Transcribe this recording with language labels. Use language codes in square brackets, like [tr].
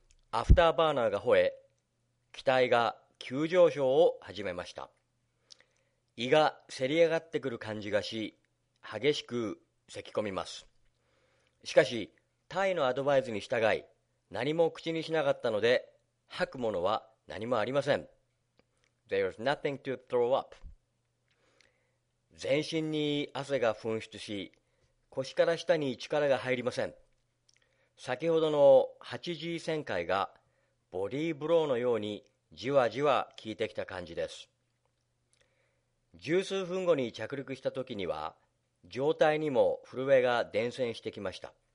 [ja] アフターバーナーが吠え、機体が急上昇を始めました。胃がせり上がってくる感じがし、激しく咳き込みます。しかし、タイのアドバイスに従い、何も口にしなかったので、吐くものは何もありません。 [en] There is nothing to throw up. [ja] 全身に汗が噴出し、腰から下に力が入りません。先ほどの 8G 旋回が、ボディーブローのようにじわじわ効いてきた感じです。十数分後に着陸した時には、上体にも震えが伝染してきました。